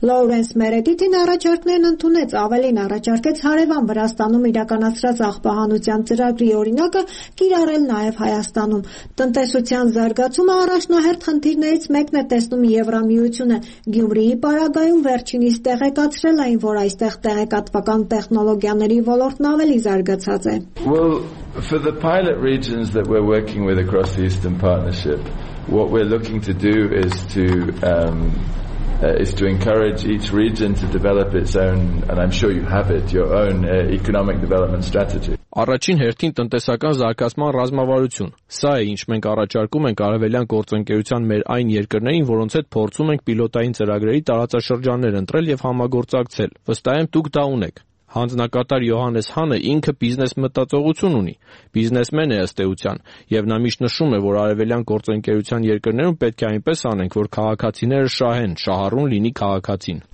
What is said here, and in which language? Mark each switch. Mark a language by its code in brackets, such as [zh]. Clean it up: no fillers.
[hy] Լորենս Մերեդիթին առաջարկներն ընդունեց, ավելին առաջարկեց Հարևան Վրաստանում իրականացրած աղբահանության ծրագրի օրինակը կիրառել նաև Հայաստանում։ Տնտեսության զարգացումը առաջնահերթ խնդիրներից մեկն է տեսնում Եվրամիությունը։ Գյումրիի պարագայում վերջինիս տեղեկացրել այն, որ այստեղ տեղեկատվական տեխնոլոգիաների ոլորտն ավելի զարգացած է։ [en] Well, for the pilot regions that we're working with across the Eastern Partnership, what we're looking to do is to encourage each region to develop its own, and I'm sure you have it, your own economic development strategy. [hy] Առաջին հերթին տնտեսական զարգացման ռազմավարություն։ Սա է, ինչ մենք առաջարկում ենք արևելյան գործընկերության մեր այն երկրներին, որոնց հետ փորձում ենք պիլոտային ծրագրերի տարածաշրջաններ ընտրել եւ համագործակցել։ Վստահ եմ, դուք դա ունեք։ Հանձնակատար Յոհանես Հանը ինքը բիզնես մտածողություն ունի, բիզնեսմեն է ըստ էության, եւ նա միշտ նշում է, որ արևելյան գործընկերության երկրներում պետք է այնպես անենք, որ քաղաքացիները շահեն, շահառուն լինի քաղաքացին։